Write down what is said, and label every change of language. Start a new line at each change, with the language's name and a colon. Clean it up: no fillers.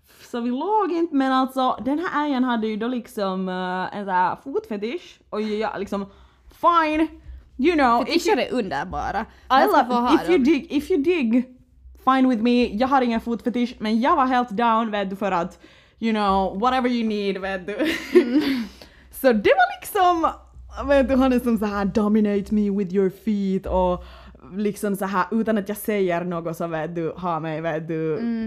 Swedish: Så vi låg inte, men alltså, den här ägen hade ju då liksom en sån här fotfetish. Och jag liksom, fine.
English: You know,
Swedish: fetischer är underbara.
English: I love, if you dig, fine with me.
Swedish: Jag har ingen fotfetish, men jag var helt down, vet du, för att,
English: you know, whatever you need,
Swedish: vet du. Så det var liksom, vet du, han är som så här,
English: dominate me with your feet,
Swedish: och liksom så här, utan att jag säger något så vet du, ha mig, vet du.